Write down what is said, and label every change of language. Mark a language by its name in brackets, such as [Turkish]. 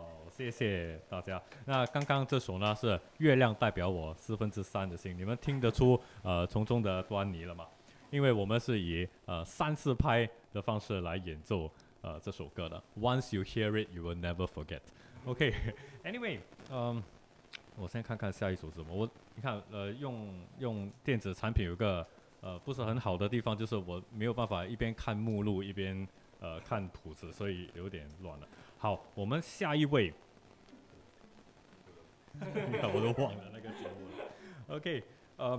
[Chinese] 谢谢大家。那刚刚这首呢是月亮代表我四分之三的心，你们听得出从中的端倪了吗？因为我们是以三四拍的方式来演奏这首歌的。 [English] Once you hear it, you will never forget. [Chinese] Okay, anyway, 我先看看下一首是什么。我你看用电子产品有个不是很好的地方，就是我没有办法一边看目录一边看谱子，所以有点乱了。好，我们下一位，我都忘了那个节目了。